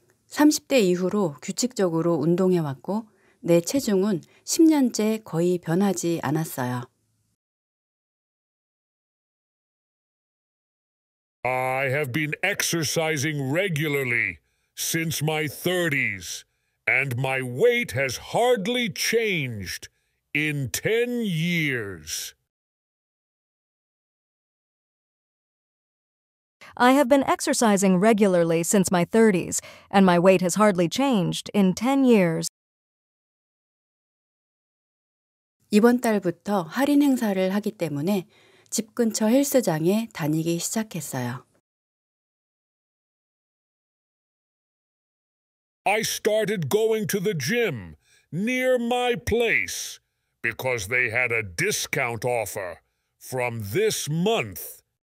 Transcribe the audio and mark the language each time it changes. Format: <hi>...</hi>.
<ko>30대 이후로 규칙적으로 운동해 왔고 내 체중은 10년째 거의 변하지 않았어요.</ko> <en>I have been exercising regularly since my 30s. And my weight has hardly changed in 10 years. I have been exercising regularly since my 30s, and my weight has hardly changed in 10 years.</en> <ko>이번 달부터 할인 행사를 하기 때문에 집 근처 헬스장에 다니기 시작했어요.</ko> <en>I started going to the gym near my place because they had a discount offer from this month.</en>